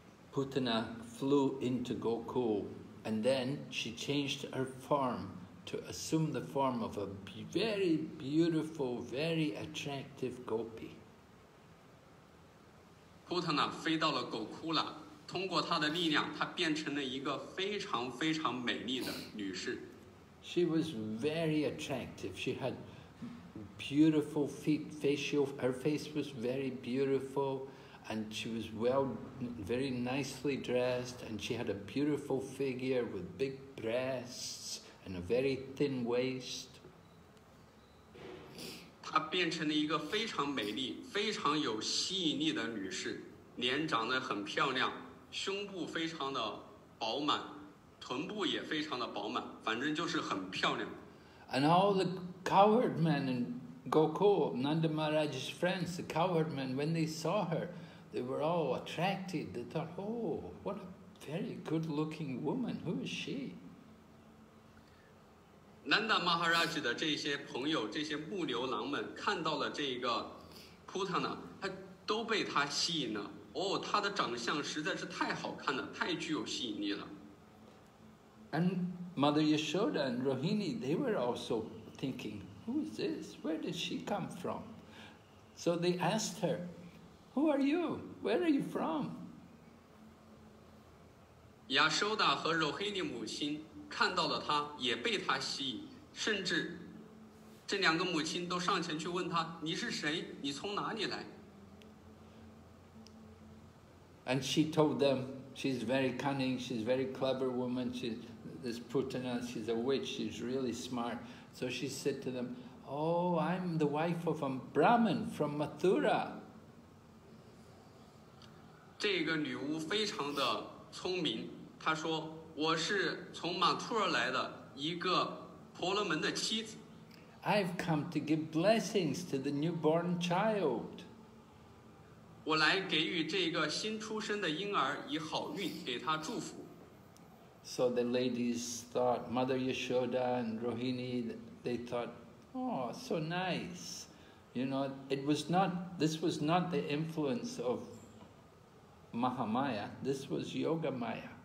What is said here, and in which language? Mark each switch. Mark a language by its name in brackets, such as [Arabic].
[English] 普塔纳 flew into Gokul and then she changed her form to assume the form of a very beautiful, very attractive gopi. [Chinese] 普塔纳飞到了狗窟了，通过她的力量，她变成了一个非常非常美丽的女士。 [English] She was very attractive. She had beautiful feet, facial. Her face was very beautiful, and she was well, very nicely dressed, and she had a beautiful figure with big breasts and a very thin waist. [Chinese] 她变成了一个非常美丽、非常有吸引力的女士，脸长得很漂亮。胸部非常的饱满，臀部也非常的饱满，反正就是很漂亮。 [English] And all the coward men in Gokul, Nanda Maharaj's friends, the coward men, when they saw her, they were all attracted. They thought, oh, what a very good-looking woman. Who is she? [Chinese] Nanda Maharaj 的这些朋友，这些木牛郎们看到了这个 Putana， 他都被他吸引了。 Oh, 她的长相实在是太好看了，太具有吸引力了。 [English] And Mother Yashoda and Rohini, they were also thinking, who is this? Where did she come from? So they asked her, who are you? Where are you from? [Chinese] Yashoda 和 Rohini 母亲看到了她，也被她吸引，甚至这两个母亲都上前去问她，你是谁？你从哪里来？ [English] And she told them, she's very cunning, she's a very clever woman, she's this Putana, she's a witch, she's really smart. So she said to them, oh, I'm the wife of a Brahmin from Mathura. [Chinese] 这个女巫非常的聪明，她说，我是从 Mathura 来的一个婆罗门的妻子。 [English] I've come to give blessings to the newborn child. [Chinese] 我来给予这个新出生的婴儿以好运，给他祝福。 [English] So the ladies thought, Mother Yashoda and Rohini, they thought, oh, so nice. You know, this was not the influence of Mahamaya, this was Yogamaya.